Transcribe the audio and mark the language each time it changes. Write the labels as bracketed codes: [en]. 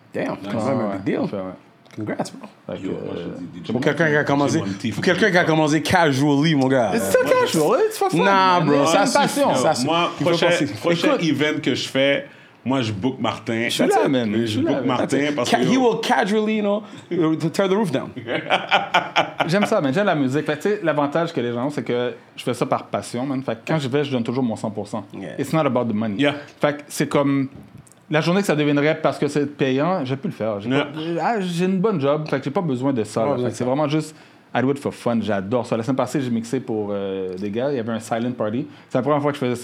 [en] Damn, big deal. Congrats, bro. [fr] Pour quelqu'un qui a commencé casually, mon gars. C'est casual, [en] it's for fun. Nah, bro, [fr] ça suffit. Yo, moi, prochain event que je fais. Moi, je book Martin. Je suis là, man. Je book Martin parce que... [en] He will casually, tear the roof down. [fr] J'aime ça, man. J'aime la musique. Fait, l'avantage que les gens ont, c'est que je fais ça par passion, man. Fait, quand je vais, je donne toujours mon 100%. [en] Yeah. It's not about the money. Yeah. [fr] Fait, c'est comme... La journée que ça deviendrait parce que c'est payant, j'ai pu le faire. J'ai une bonne job. Fait, j'ai pas besoin de ça. Fait, c'est vraiment juste... [en] I do it for fun, [fr] j'adore ça. La semaine passée, j'ai mixé pour des gars, il y avait un silent party. C'est la première fois que je faisais ça.